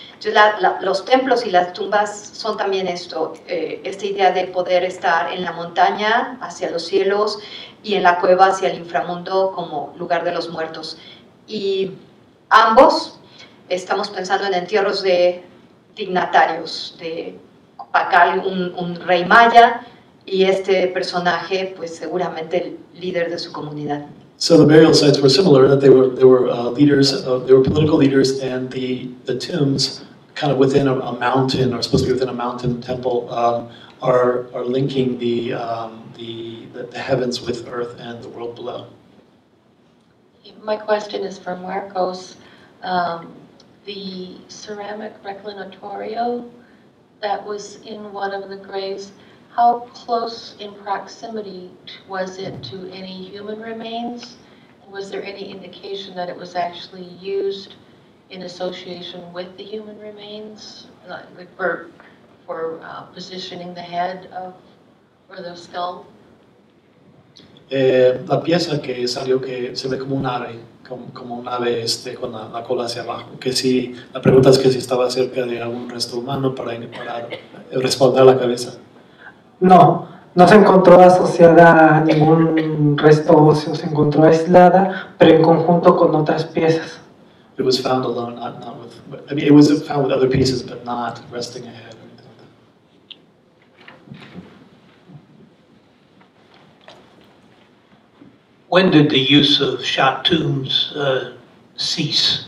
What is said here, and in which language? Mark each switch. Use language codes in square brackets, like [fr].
[es] Entonces, los templos y las tumbas son también esto, esta idea de poder estar en la montaña hacia los cielos y en la cueva hacia el inframundo como lugar de los muertos. Y ambos estamos pensando en entierros de dignatarios, de Pakal, un rey maya, y este personaje, pues seguramente el líder de su comunidad. [en] So the burial sites were similar, that they were political leaders, and the tombs, kind of within a mountain, or supposed to be within a mountain temple, are linking the heavens with earth and the world below. My question is for Marcos. The ceramic reclinatorio that was in one of the graves, how close in proximity was it to any human remains? Was there any indication that it was actually used in association with the human remains, like for positioning the head of or the skull? [es] La pieza que salió que se ve como un ave, como un ave con la cola hacia abajo. Que si la pregunta es que si estaba cerca de algún resto humano para respaldar la cabeza. No se encontró asociada a ningún resto óseo, se encontró aislada, pero en conjunto con otras piezas. [en] It was found alone, it was found with other pieces, but not resting ahead. When did the use of shot tombs cease?